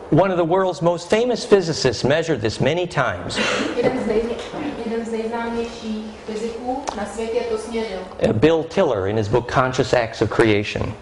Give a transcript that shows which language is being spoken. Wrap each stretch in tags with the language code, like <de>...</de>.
<en>One of the world's most famous physicists measured this many times.</en> <cs>Jeden z nejznámějších fyziků na světě to směřil.</cs> <en>Bill Tiller in his book Conscious Acts of Creation.</en>